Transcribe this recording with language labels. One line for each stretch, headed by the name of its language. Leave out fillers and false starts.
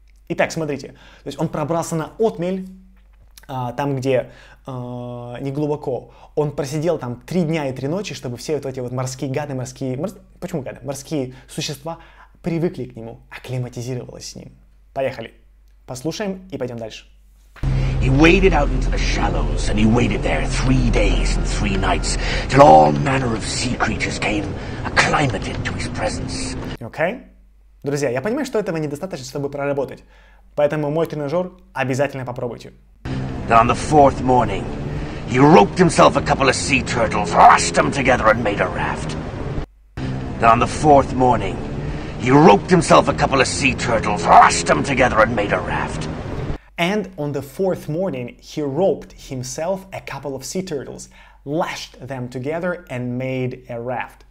Russian: Итак, смотрите, то есть он пробрался на отмель, там, где неглубоко, он просидел там 3 дня и 3 ночи, чтобы все вот эти вот морские гады, морские существа привыкли к нему, акклиматизировалось с ним. Поехали, послушаем и пойдем дальше.
English: He waded out into the shallows, and he waited there 3 days and 3 nights, till all manner of sea creatures came acclimated to his presence. Okay.
Russian: Друзья, я понимаю, что этого недостаточно, чтобы проработать, поэтому мой тренажер обязательно попробуйте.
English: Then on the fourth morning, he roped himself a couple of sea turtles, lashed them together and made a raft. Then on the fourth morning, he roped himself a couple of sea turtles, lashed them together and made a raft. And on the fourth morning, he roped himself a couple of sea turtles, lashed them together, and made a raft.